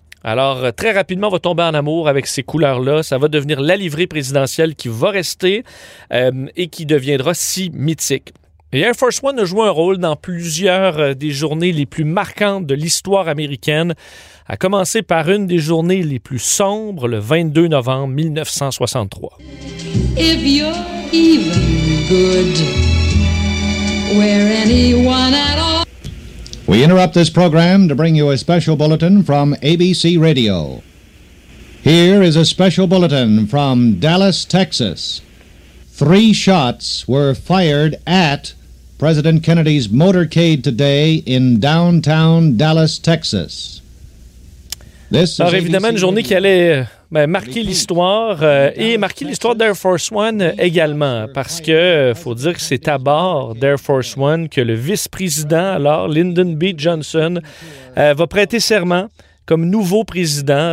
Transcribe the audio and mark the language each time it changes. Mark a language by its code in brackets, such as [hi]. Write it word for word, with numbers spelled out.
[fr] Alors, très rapidement, on va tomber en amour avec ces couleurs-là. Ça va devenir la livrée présidentielle qui va rester euh, et qui deviendra si mythique. Et Air Force One a joué un rôle dans plusieurs des journées les plus marquantes de l'histoire américaine, à commencer par une des journées les plus sombres, le vingt-deux novembre dix-neuf cent soixante-trois. If you're even good, where anyone at all... [en] We interrupt this program to bring you a special bulletin from A B C Radio. Here is a special bulletin from Dallas, Texas. Three shots were fired at President Kennedy's motorcade today in downtown Dallas, Texas. This [fr] Alors évidemment, une journée qui allait ben, marquer l'histoire euh, et marquer l'histoire d'Air Force One également, parce que faut dire que c'est à bord d'Air Force One que le vice-président, alors Lyndon B. Johnson, euh, va prêter serment comme nouveau président.